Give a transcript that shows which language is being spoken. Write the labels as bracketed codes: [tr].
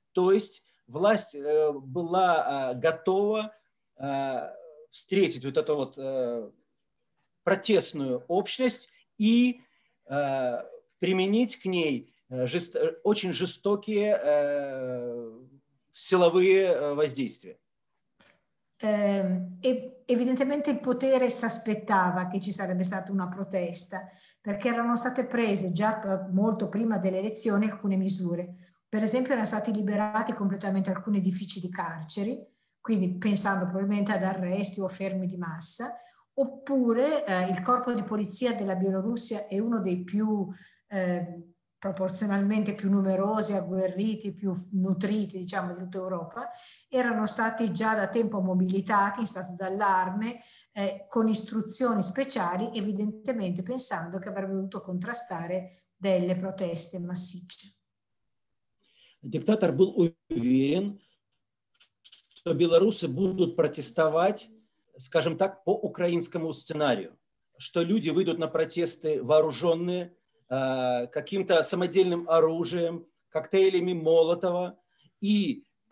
[ru] То есть власть была готова встретить вот эту вот протестную общность и применить к ней очень жестокие силовые воздействия. [it] Evidentemente il potere si aspettava che ci sarebbe stata una protesta, perché erano state prese già molto prima delle elezioni alcune misure. Per esempio erano stati liberati completamente alcuni edifici di carceri, quindi pensando probabilmente ad arresti o fermi di massa, oppure il corpo di polizia della Bielorussia è uno dei più proporzionalmente più numerosi, agguerriti, più nutriti, diciamo, di tutta Europa, erano stati già da tempo mobilitati in stato d'allarme, con istruzioni speciali, evidentemente pensando che avrebbe dovuto contrastare delle proteste massicce. [ru] Диктатор был уверен, что белорусы будут протестовать, скажем так, по украинскому сценарию, что люди выйдут на протесты вооруженные каким-то самодельным оружием, коктейлями Молотова, и